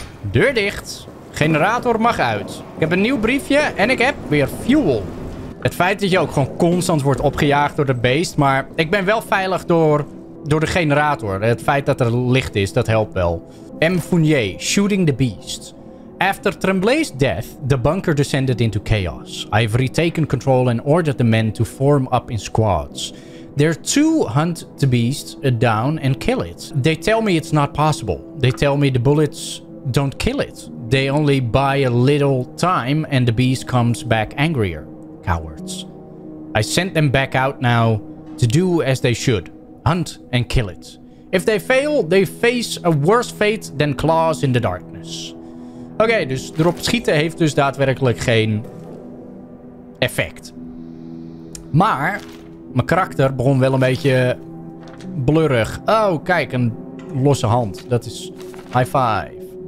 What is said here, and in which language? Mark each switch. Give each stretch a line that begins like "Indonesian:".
Dutch: Deur dicht. Generator mag uit. Ik heb een nieuw briefje en ik heb weer fuel. Het feit dat je ook gewoon constant wordt opgejaagd door de beest. Maar ik ben wel veilig door de generator. Het feit dat er licht is, dat helpt wel.
English: M. Fournier, shooting the beast. After Tremblay's death, the bunker descended into chaos. I've retaken control and ordered the men to form up in squads. They're to hunt the beast down and kill it. They tell me it's not possible. They tell me the bullets don't kill it. They only buy a little time and the beast comes back angrier. Cowards. I sent them back out now to do as they should. Hunt and kill it. If they fail, they face a worse fate than claws in the darkness.
Dutch: Oké, dus erop schieten heeft dus daadwerkelijk geen effect. Maar mijn karakter begon wel een beetje blurrig. Oh, kijk, een losse hand. Dat is high five.